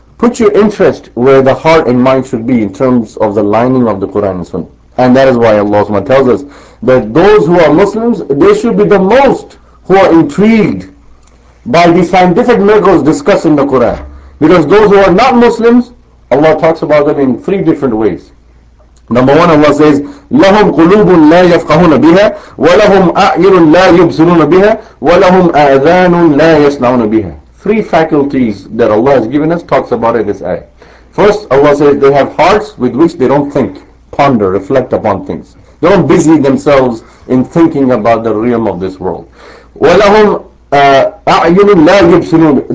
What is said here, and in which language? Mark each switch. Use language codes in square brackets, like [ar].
[en] Put your interest where the heart and mind should be in terms of the lining of the Quran and Sunnah. And that is why Allah SWT tells us that those who are Muslims, they should be the most who are intrigued by the scientific miracles discussed in the Quran. Because those who are not Muslims, Allah talks about them in three different ways. Number one, Allah says, [ar] لَهُمْ قُلُوبٌ لَا يَفْقَهُونَ بِهَا وَلَهُمْ أَعْيُنٌ لَا يُبْصِرُونَ بِهَا وَلَهُمْ أَذَانٌ لَا يَسْمَعُونَ بِهَا. [en] Three faculties that Allah has given us talks about it in this ayah. First, Allah says they have hearts with which they don't think, ponder, reflect upon things. They don't busy themselves in thinking about the realm of this world. [ar] وَلَهُمْ أَعْيُنٌ لَا يُبْصِرُونَ.